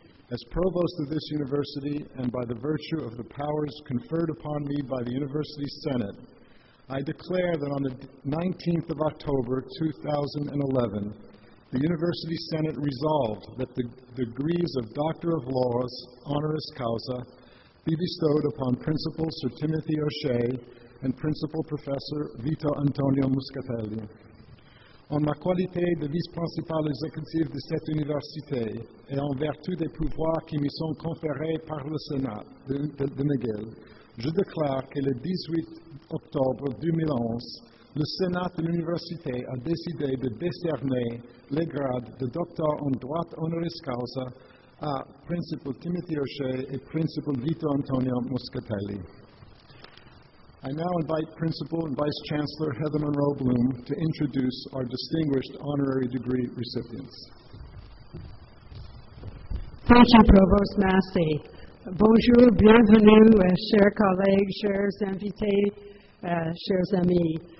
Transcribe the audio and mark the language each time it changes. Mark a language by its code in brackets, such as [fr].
[en] As provost of this university, and by the virtue of the powers conferred upon me by the University Senate, I declare that on the 19th of October, 2011, the University Senate resolved that the degrees of Doctor of Laws, honoris causa, be bestowed upon Principal Sir Timothy O'Shea and Principal Professor Vito Antonio Muscatelli. [fr] En ma qualité de vice-principal exécutif de cette université et en vertu des pouvoirs qui me sont conférés par le Sénat de McGill, je déclare que le 18 octobre 2011, le Sénat de l'université a décidé de décerner les grades de docteur en droit honoris causa à Principal Timothy O'Shea et Principal Vito Antonio Muscatelli. [en] I now invite Principal and Vice Chancellor Heather Monroe Bloom to introduce our distinguished honorary degree recipients. Thank you, Provost Massey. [fr] Bonjour, bienvenue, chers collègues, chers invités, chers amis.